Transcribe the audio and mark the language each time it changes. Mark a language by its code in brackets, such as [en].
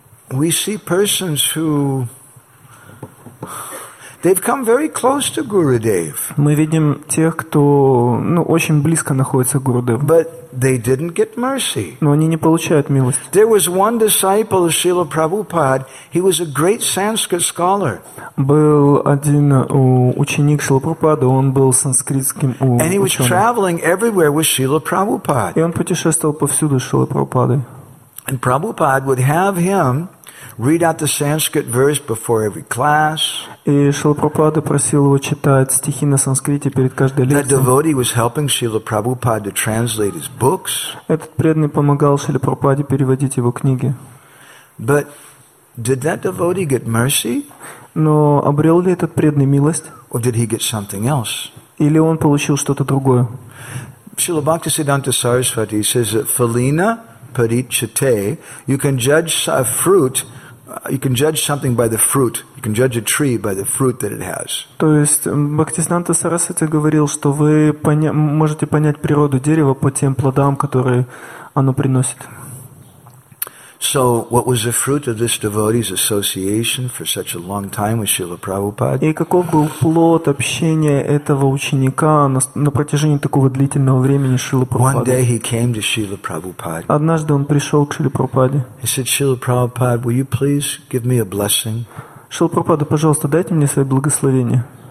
[en] we see persons who they've come very close to Gurudev. [ru] Мы видим тех, кто, ну, очень близко находится к Гурудеву. [en] But they didn't get mercy. [ru] Но они не получают милость. [en] There was one disciple of Srila Prabhupada. He was a great Sanskrit scholar. [ru] Был один ученик Шрилы Прабхупады. Он был санскритским ученым. [en] And he was traveling everywhere with Srila Prabhupada. [ru] И он путешествовал повсюду с Шрилой Прабхупадой. [en] And Prabhupada would have him read out the Sanskrit verse before every class. [ru] И Шрила Прабхупада просил его читать стихи на санскрите перед каждой лекцией. [en] That devotee was helping Srila Prabhupada to translate his books. [ru] Этот преданный помогал Шриле Прабхупаде переводить его книги. [en] But did that devotee get mercy? [ru] Но обрел ли этот преданный милость? [en] Or did he get something else? [ru] Или он получил что-то другое? [en] Srila Bhaktisiddhanta Sarasvati says that Phalina Parichate, you can judge a fruit, you can judge something by the fruit, you can judge a tree by the fruit that it has. [ru] То есть Бхактисиддханта Сарасвати говорил, что вы можете понять природу дерева по тем плодам, которые оно приносит. [en] So what was the fruit of this devotee's association for such a long time with Srila Prabhupada? [ru] И каков был плод общения этого ученика на протяжении такого длительного времени с Шрилой Прабхупадой? [en] One day he came to Srila Prabhupada. [ru] Однажды он пришел к Шриле Прабхупаде. [en] He said, "Srila Prabhupada, will you please give me a blessing?" [ru] Шрила Прабхупада, пожалуйста, дайте мне свое благословение.